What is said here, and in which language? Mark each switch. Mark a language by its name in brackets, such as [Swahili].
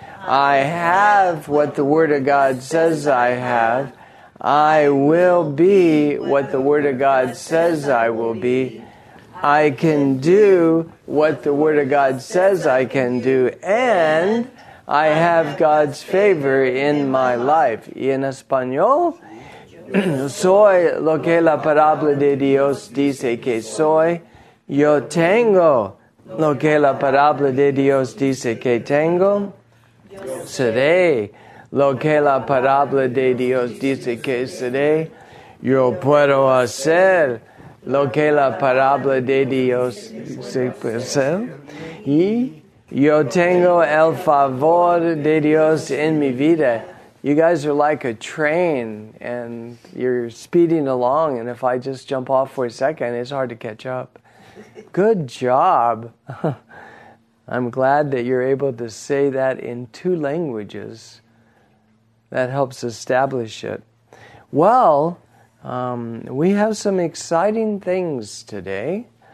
[English] I have what the Word of God says I have. I will be what the Word of God says I will be. I can do what the Word of God says I can do. And I have God's favor in my life. [Spanish] Y en español, soy lo que la palabra de Dios dice que soy. Yo tengo lo que la palabra de Dios dice que tengo. Seré lo que la palabra de Dios dice que seré. Yo puedo hacer lo que la palabra de Dios dice que seré. Y yo tengo el favor de Dios en mi vida. [English] You guys are like a train, and you're speeding along, and if I just jump off for a second, it's hard to catch up. Good job. I'm glad that you're able to say that in two languages. That helps establish it. Well, we have some exciting things today.